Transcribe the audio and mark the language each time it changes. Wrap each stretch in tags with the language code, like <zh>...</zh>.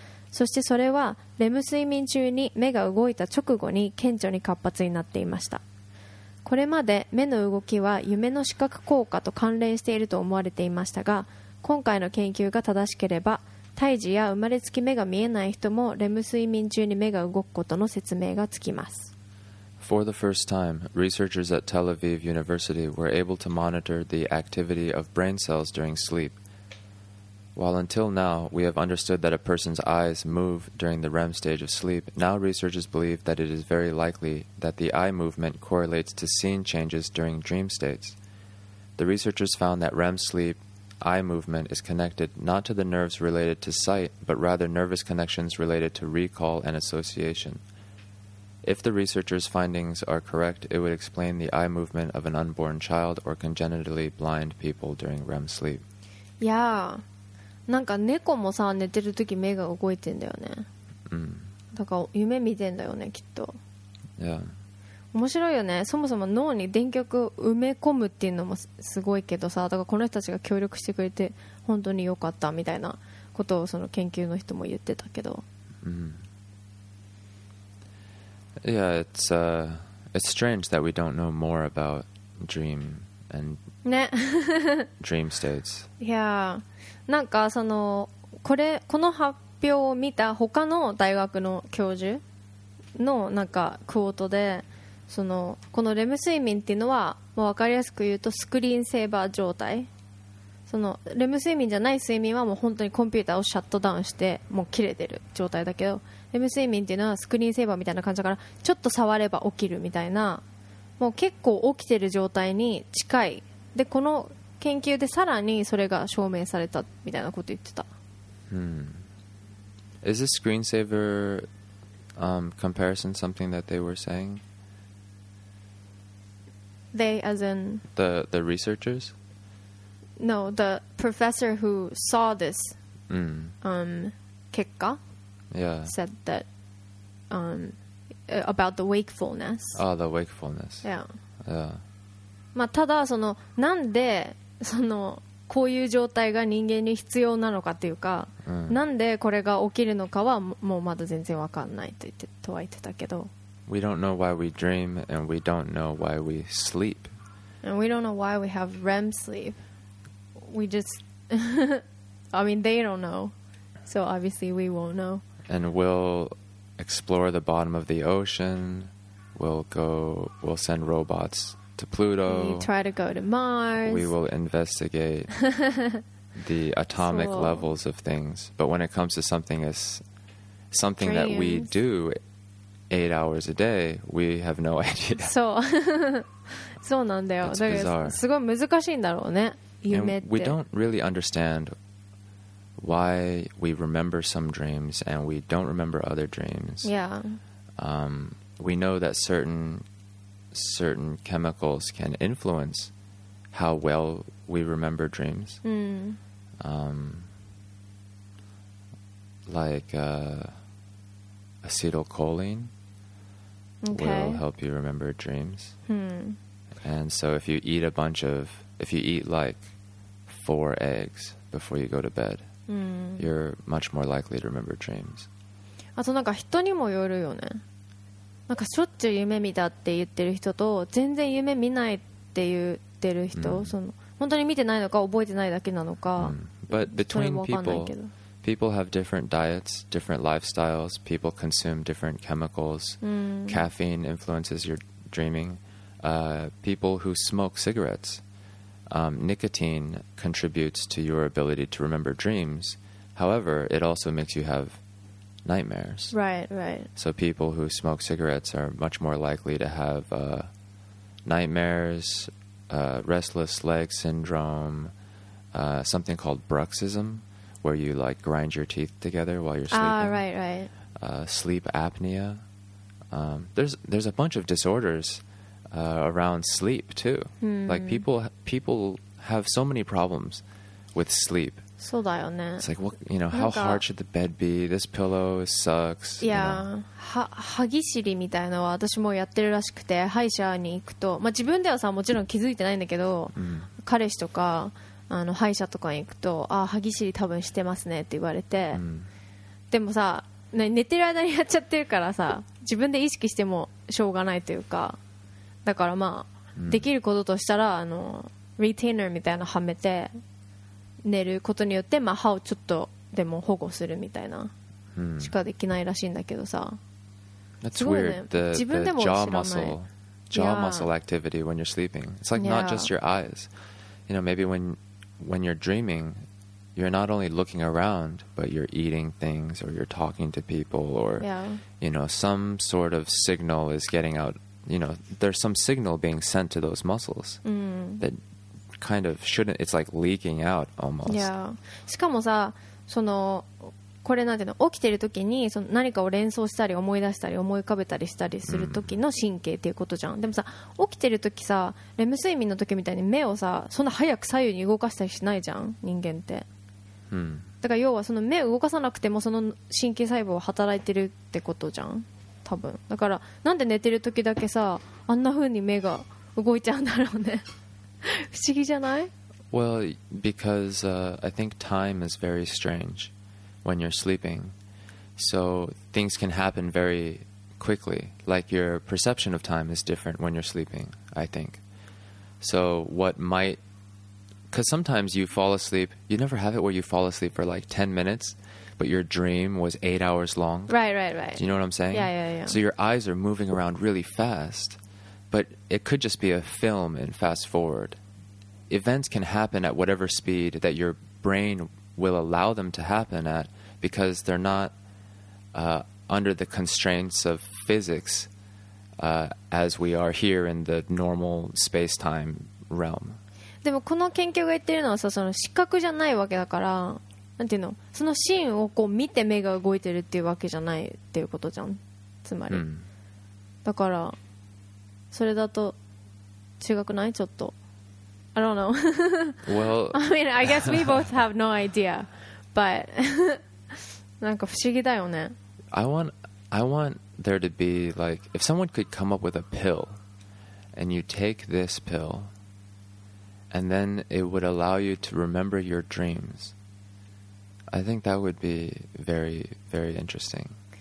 <ja>そしてそれはレム睡眠中に目が動いた直後に顕著に活発になっていました。これまで目の動きは夢の視覚効果と関連していると思われていましたが、今回の研究が正しければ胎児や生まれつき目が見えない人もレム睡眠中に目が動くことの説明がつきます。</ja> <en>For the first time, researchers at Tel Aviv University were able to monitor the activity of brain cells during sleepWhile until now, we have understood that a person's eyes move during the REM stage of sleep, now researchers believe that it is very likely that the eye movement correlates to scene changes during dream states. The researchers found that REM sleep eye movement is connected not to the nerves related to sight, but rather nervous connections related to recall and association. If the researchers' findings are correct, it would explain the eye movement of an unborn child or congenitally blind people during REM sleep. Yeah.</en> <ja>なんか猫もさ、寝てるとき目が動いてんだよね。だから夢見てんだよね、きっと。</ja> <en>Yeah.</en> <ja>面白いよね。そもそも脳に電極を埋め込むっていうのもすごいけどさ、だからこの人たちが協力してくれて本当に良かったみたいなことをその研究の人も言ってたけど。</ja> <en>Yeah, it's strange that we don't know more about dream and</en> <ja>ね、</ja> <en>dream states. Yeah.</en> <ja>なんかそのこの発表を見た他の大学の教授のなんかクォートで、そのこのレム睡眠っていうのは、まあ、分かりやすく言うとスクリーンセーバー状態、そのレム睡眠じゃない睡眠はもう本当にコンピューターをシャットダウンしてもう切れてる状態だけど、レム睡眠っていうのはスクリーンセーバーみたいな感じだから、ちょっと触れば起きるみたいな、もう結構起きてる状態に近いで、この研究でさらにそれが証明されたみたいなこと言ってた。</ja> <en>Is this screensaver comparison something that they were saying? They as in the researchers? No, the professor who saw this</en> <ja>結果</ja> <en>Yeah. said that about the wakefulness. Ah, the wakefulness. Yeah. Yeah.</en> <ja>まあ、ただそのなんでそのこういう状態が人間に必要なのかというか、うん、なんでこれが起きるのかはもうまだ全然わかんないと言ってとは言ってたけど</ja> <en>We don't know why we dream and we don't know why we sleep And we don't know why we have REM sleep We just I mean they don't know So obviously we won't know And we'll explore the bottom of the ocean We'll send robots to Pluto We try to go to Mars We will investigate the atomic so, levels of things But when it comes to something as something dreams. That we do 8 hours a day We have no idea So</en> <ja>そうなんだよ。だからすごい難しいんだろうね。夢って。</ja> <en>And we don't really understand why we remember some dreams and we don't remember other dreams. Yeah. We know that certain chemicals can influence how well we remember dreams. Mm. Like acetylcholine okay. will help you remember dreams. Hmm. And so if you eat like 4 eggs before you go to bed, you're much more likely to remember dreams.</en> <ja>あとなんか人にもよるよね。なんかしょっちゅう夢見たって言ってる人と全然夢見ないって言ってる人、その本当に見てないのか覚えてないだけなのか、</ja> <en>But between people have different diets, different lifestyles, people consume different chemicals, caffeine influences your dreaming. People who smoke cigarettes, nicotine contributes to your ability to remember dreams. However, it also makes you have nightmares. Right, right. So people who smoke cigarettes are much more likely to have nightmares, restless leg syndrome, something called bruxism, where you like grind your teeth together while you're sleeping. Ah, right, right. Sleep apnea. There's a bunch of disorders. Around sleep too. Hmm. Like people have so many problems with sleep.</en> <ja>そうだよね。</ja> <en>It's like what, you know, how hard should the bed be? This pillow sucks. Yeah.</en> <ja>歯ぎしりみたいなのは私もやってるらしくて、歯医者に行くと、まあ自分ではさもちろん気づいてないんだけど、彼氏とかあの歯医者とかに行くと、あ歯ぎしり多分してますねって言われて、でもさ、ね、寝てる間にやっちゃってるからさ、自分で意識してもしょうがないというか。だからまあできることとしたらあのリテイナーみたいなはめて寝ることによってまあ歯をちょっとでも保護するみたいなしかできないらしいんだけどさ。</ja> <en>That's weird. The jaw muscle activity when you're sleeping. It's like not just your eyes. You know, maybe when you're dreaming, you're not only looking around, but you're eating things or you're talking to people or you know some sort of signal is getting out. You know, there's some signal being sent to those muscles that kind of shouldn't. It's like leaking out almost. Yeah.</en> <ja>しかもさ、そのこれなんていうの、起きてる時にその何かを連想したり思い出したり思い浮かべたりしたりする時の神経っていうことじゃん。でもさ、起きてる時さ、レム睡眠の時みたいに目をさ、そんな早く左右に動かしたりしないじゃん、人間って。だから要はその目を動かさなくてもその神経細胞は働いてるってことじゃん。多分だからなんで寝てる時だけさあんな風に目が動いちゃうんだろうね不思議じゃない</ja> <en>Well, because I think time is very strange when you're sleeping so things can happen very quickly like your perception of time is different when you're sleeping I think so what might because sometimes you fall asleep you never have it where you fall asleep for like 10 minutesBut your dream was 8 hours long. Right, right, right. Do you know what I'm saying? Yeah, yeah, yeah. So your eyes are moving around really fast, but it could just be a film and fast forward. Events can happen at whatever speed that your brain will allow them to happen at because they're not under the constraints of physics as we are here in the normal space-time realm.</en> <ja>でもこの研究が言ってるのはさ、その視覚じゃないわけだから。なんていうの、そのシーンをこう見て目が動いてるっていうわけじゃないっていうことじゃん。つまり、だからそれだと違くない？ちょっと、</ja> <en>I don't know. Well, I mean, I guess we both have no idea, but</en> <ja>なんか不思議だよね。</ja> <en>I want there to be like, if someone could come up with a pill, and you take this pill, and then it would allow you to remember your dreams, I think that would be very, very interesting.</en>